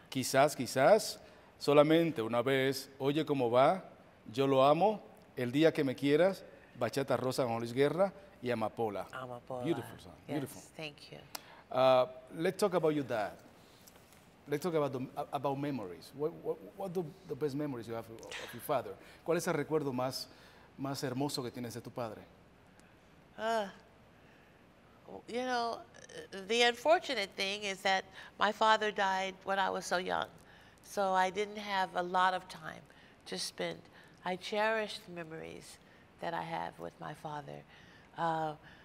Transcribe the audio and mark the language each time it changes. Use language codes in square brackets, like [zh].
[es] Quizás, quizás. Solamente una vez. Oye cómo va. Yo lo amo. El día que me quieras. Bachata Rosa con Luis Guerra. Y Amapola. Amapola. [en] Beautiful song. Yes, beautiful. Thank you. Let's talk about your dad. Let's talk about memories. What do the best memories you have of your father? [es] ¿Cuál es el recuerdo más hermoso que tienes de tu padre? [en] You know, the unfortunate thing is that my father died when I was so young. So I didn't have a lot of time to spend. I cherish the memories that I have with my father.